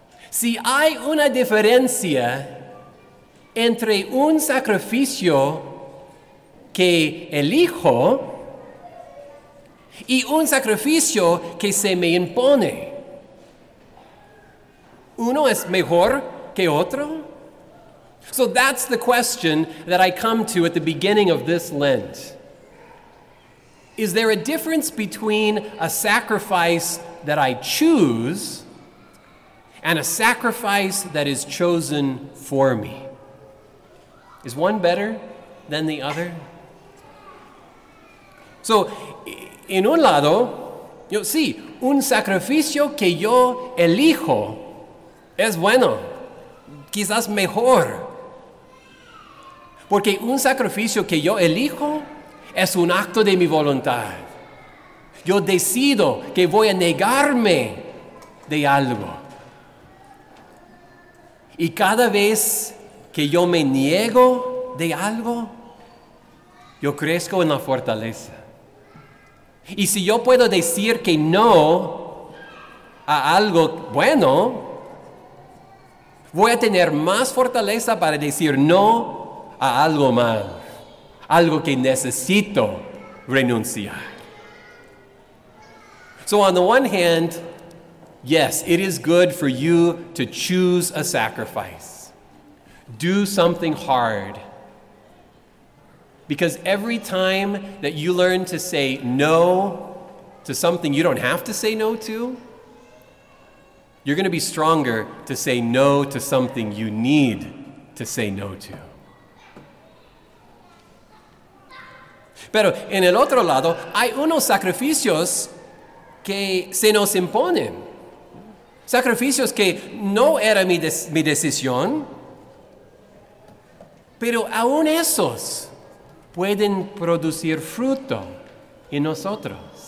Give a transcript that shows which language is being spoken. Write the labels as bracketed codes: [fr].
[es] Si hay una diferencia entre un sacrificio que elijo y un sacrificio que se me impone, ¿uno es mejor que otro? [en] So that's the question that I come to at the beginning of this Lent. Is there a difference between a sacrifice that I choose and a sacrifice that is chosen for me? Is one better than the other? [es] So, en un lado, yo sí, un sacrificio que yo elijo es bueno, quizás mejor. Porque un sacrificio que yo elijo es un acto de mi voluntad. Yo decido que voy a negarme de algo. Y cada vez que yo me niego de algo, yo crezco en la fortaleza. Y si yo puedo decir que no a algo bueno, voy a tener más fortaleza para decir no a algo mal, algo que necesito renunciar. [en] So on the one hand, yes, it is good for you to choose a sacrifice. Do something hard. Because every time that you learn to say no to something you don't have to say no to, you're going to be stronger to say no to something you need to say no to. [es] Pero en el otro lado, hay unos sacrificios que se nos imponen. Sacrificios que no era mi decisión. Pero aún esos pueden producir fruto en nosotros.